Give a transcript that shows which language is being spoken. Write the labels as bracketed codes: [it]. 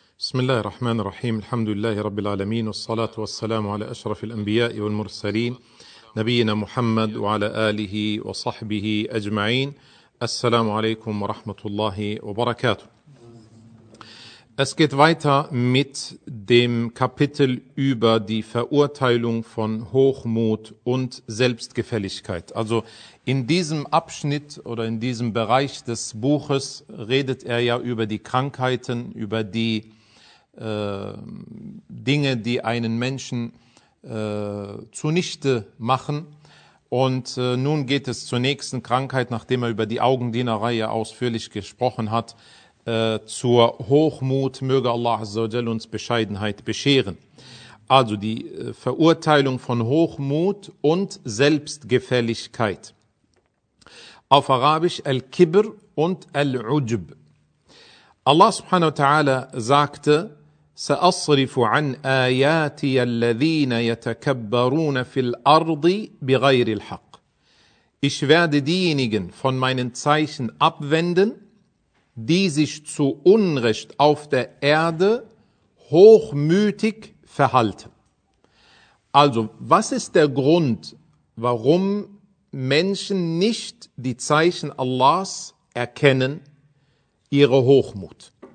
[ar] بسم الله الرحمن الرحيم، الحمد لله رب العالمين، والصلاة والسلام على أشرف الأنبياء والمرسلين نبينا محمد وعلى آله وصحبه أجمعين. السلام عليكم ورحمة الله وبركاته. [de] Es geht weiter mit dem Kapitel über die Verurteilung von Hochmut und Selbstgefälligkeit. Also in diesem Abschnitt oder in diesem Bereich des Buches redet er ja über die Krankheiten, über die Dinge, die einen Menschen zunichte machen. Und nun geht es zur nächsten Krankheit, nachdem er über die Augendienerei ja ausführlich gesprochen hat, zur Hochmut. Möge Allah Azza wa Jalla uns Bescheidenheit bescheren. Also die Verurteilung von Hochmut und Selbstgefälligkeit. Auf Arabisch Al-Kibr und Al-Ujub. [ar] Allah subhanahu wa ta'ala sagte: سأصرف عن آياتي الذين يتكبرون في الأرض بغير الحق. [de] Ich werde diejenigen von meinen Zeichen abwenden, die sich zu Unrecht auf der Erde hochmütig verhalten. Also, was ist der Grund, warum Menschen nicht die Zeichen Allahs erkennen, ihre Hochmut?